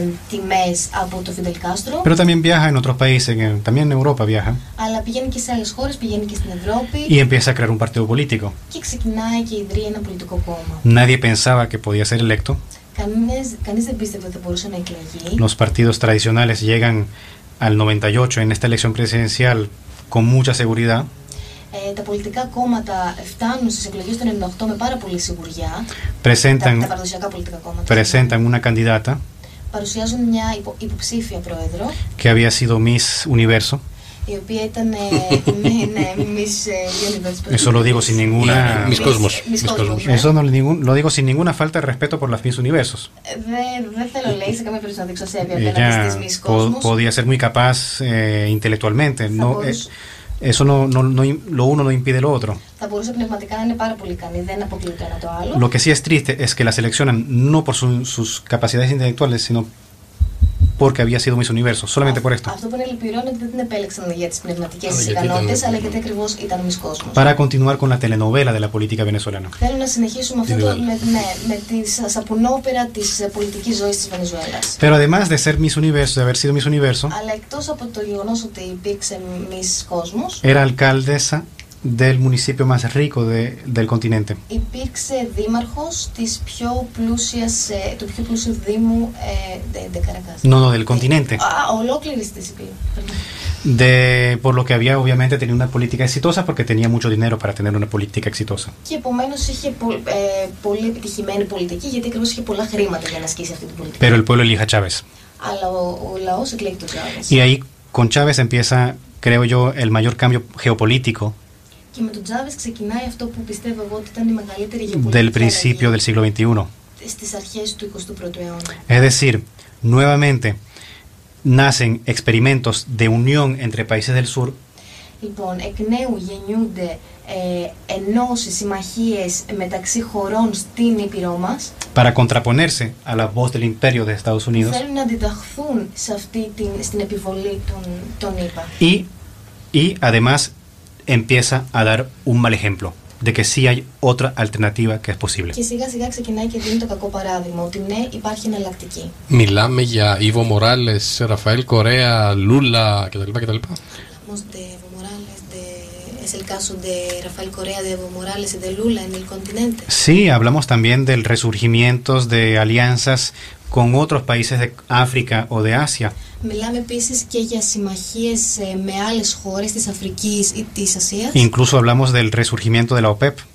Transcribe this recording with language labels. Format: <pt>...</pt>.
<el>τιμές από το Fidel Castro.</el> <es>Pero también viaja en otros países, también en Europa viaja.</es> <el>Αλλά πηγαίνει και σε άλλες χώρες, πηγαίνει και στην Ευρώπη.</el> <es>Y empieza a crear un partido político.</es> <el>Και ξεκινάει και ιδρύει ένα πολιτικό κόμμα.</el> <es>Nadie pensaba que podía ser electo.</es> <el>Κανείς δεν πίστευε ότι μπορούσε να εκλεγεί.</el> <es>Los partidos tradicionales llegan al 98 en esta elección presidencial con mucha seguridad.</es> <el>Τα πολιτικά κόμματα φτάνουν στις εκλογές των 98 με πάρα πολύ σιγουριά. Τα παραδοσιακά πολιτικά κόμματα.</el> <es>Presentan una candidata.</es> <el>Παρουσιάζουν μια υποψήφια πρόεδρο.</el> <es>Que había sido Miss Universo.</es> <el>Η οποία ήταν Miss Universo.</el> <es>Eso lo digo sin ninguna.</es> <el>Miss Cosmos.</el> <es>Eso no lo digo sin ninguna falta de respeto por las Miss Universos.</es> <el>Δεν θέλω, λέει, σε καμία περίπτωση να δείξω ασέβεια απέναντι στις Miss Cosmos.</el> <es>Podía ser muy capaz intelectualmente. Eso lo uno no impide lo otro.</es> <el>Θα μπορούσε πνευματικά να είναι πάρα πολύ ικανή, δεν αποκλείεται ένα το άλλο.</el> <es>Lo que sí es triste es que la seleccionan no por sus capacidades intelectuales, sino porque había sido Miss Universo, solamente por esto.</es> <el>Αυτό που είναι λυπηρό είναι ότι δεν την επέλεξαν για τις πνευματικές ικανότητες, αλλά γιατί ακριβώς ήταν Miss Cosmos.</el> <es>Para continuar con la telenovela de la política venezolana.</es> <el>Θέλω να συνεχίσουμε αυτό με τη σαπουνόπερα της πολιτικής ζωής της Βενεζουέλας.</el> <es>Pero además de ser Miss Universo, de haber sido Miss Universo.</es> <el>Αλλά εκτός από το γεγονός ότι υπήρξε Miss Cosmos.</el> <es>Era alcaldesa del municipio más rico del continente.</es> <el>Υπήρξε δήμαρχος της πιο πλούσιας, του πιο πλούσιου δήμου</el> <es>de Caracas. No, del continente.</es> <el>Ολόκληρης της Ισπανίας.</el> <es>De por lo que había obviamente tenía una política exitosa porque tenía mucho dinero para tener una política exitosa.</es> <el>Και επομένως είχε πολύ επιτυχημένη πολιτική γιατί ακριβώς είχε πολλά χρήματα για να ασκήσει αυτή την πολιτική.</el> <es>Pero el pueblo elige a Chávez.</es> <el>Αλλά ο λαός εκλέγει τον Chávez.</el> <es>Y ahí con Chávez empieza, creo yo, el mayor cambio geopolítico.</es> <el>Και με τον Τζάβες ξεκινάει αυτό που πιστεύω εγώ ότι ήταν η μεγαλύτερη γεωπολιτική</el> <es>del principio del siglo XXI.</es> <el>Στις αρχές του 21ου αιώνα.</el> <es>Es decir, nuevamente nacen experimentos de unión entre países del sur.</es> <el>Λοιπόν, εκ νέου γεννιούνται ενώσεις, συμμαχίες μεταξύ χωρών στην Ήπειρό μας.</el> <es>Para contraponerse a la voz del imperio de Estados Unidos.</es> <el>Θέλουν να αντιταχθούν σε αυτή στην επιβολή των ΗΠΑ.</el> <es>Y además empieza a dar un mal ejemplo de que sí hay otra alternativa que es posible.</es> <el>Και σιγά σιγά ξεκινάει και δίνει το κακό παράδειγμα ότι ναι, υπάρχει εναλλακτική. Μιλάμε για Ivo Morales, Rafael Correa, Lula κτλ.</el> <es>Hablamos de Evo Morales, es el caso de Rafael Correa, de Evo Morales y de Lula en el continente. Sí, hablamos también del resurgimiento de alianzas con otros países de África o de Asia.</es> <el>Μιλάμε επίσης και για συμμαχίες με άλλες χώρες της Αφρικής ή της Ασίας.</el> <es>Incluso hablamos del resurgimiento de la OPEP.</es>